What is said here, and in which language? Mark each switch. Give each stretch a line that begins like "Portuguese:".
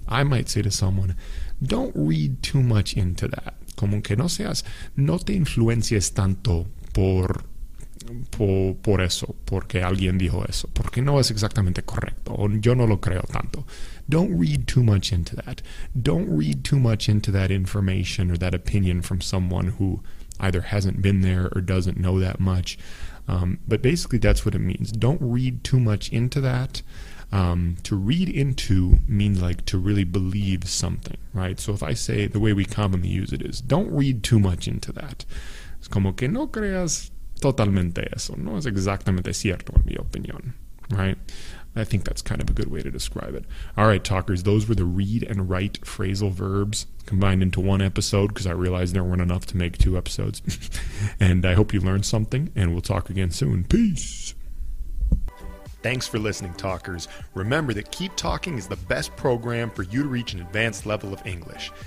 English: I might say to someone, don't read too much into that.
Spanish: Como que no seas, no te influencies tanto por eso, porque alguien dijo eso, porque no es exactamente correcto, o yo no lo creo tanto.
English: Don't read too much into that. Don't read too much into that information or that opinion from someone who either hasn't been there or doesn't know that much. But basically, that's what it means. Don't read too much into that. To read into means like to really believe something, right? So if I say, the way we commonly use it is, don't read too much into that.
Spanish: Es como que no creas totalmente eso. No es exactamente cierto, en mi opinión, right?
English: I think that's kind of a good way to describe it. All right, talkers, those were the read and write phrasal verbs combined into one episode because I realized there weren't enough to make two episodes. And I hope you learned something, and we'll talk again soon. Peace. Thanks for listening, talkers. Remember that Keep Talking is the best program for you to reach an advanced level of English.